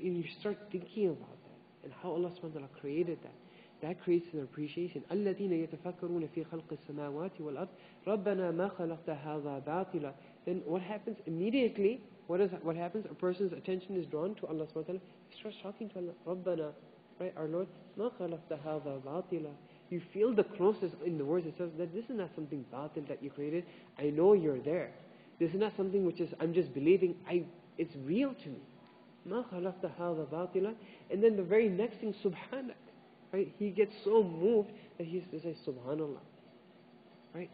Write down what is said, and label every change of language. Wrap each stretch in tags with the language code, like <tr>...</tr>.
<en>And you start thinking about that and how Allah subhanahu wa ta'ala created that. That creates an appreciation.</en> <ar>الَّذِينَ يَتَفَكَّرُونَ فِي خَلْقِ السَّمَاوَاتِ وَالْأَرْضِ رَبَّنَا مَا خَلَقْتَ هَذَا بَاطِلًا.</ar> <en>Then what happens immediately? What happens? A person's attention is drawn to Allah subhanahu wa ta'ala. He starts talking to Allah.</en> <ar>رَبَّنَا, right?</ar> <en>Our Lord,</en> <ar>مَا خَلَقْتَ هَذَا بَاطِلًا.</ar> <en>You feel the closeness in the words. It says that this is not something batil that you created. I know you're there. This is not something which is, I'm just believing. It's real to me.</en> <ar>مَا خَلَقْتَ هَذَا بَاطِلًا.</ar> <en>And then the very next thing, Subhanak. Right? He gets so moved that he says, Subhanallah. Right?</en>